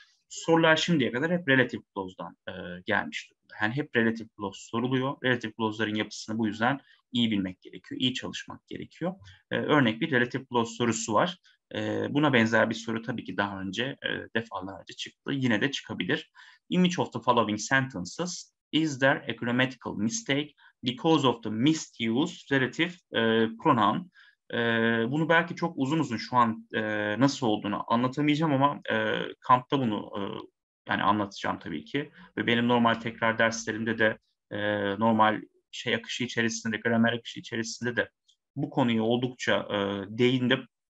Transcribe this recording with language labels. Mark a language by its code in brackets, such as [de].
[tr] Sorular şimdiye kadar hep relative clause'dan gelmiş durumda. Yani hep relative clause soruluyor. Relative clause'ların yapısını bu yüzden iyi bilmek gerekiyor, iyi çalışmak gerekiyor. Örnek bir relative clause sorusu var. Buna benzer bir soru tabii ki daha önce defalarca çıktı. Yine de çıkabilir. [en] In which of the following sentences is there a grammatical mistake because of the misused relative pronoun? [tr] Bunu belki çok uzun uzun şu an nasıl olduğunu anlatamayacağım ama kampta bunu yani anlatacağım tabii ki. Ve benim normal tekrar derslerimde de normal şey akışı içerisinde, gramer akışı içerisinde de bu konuya oldukça değindim.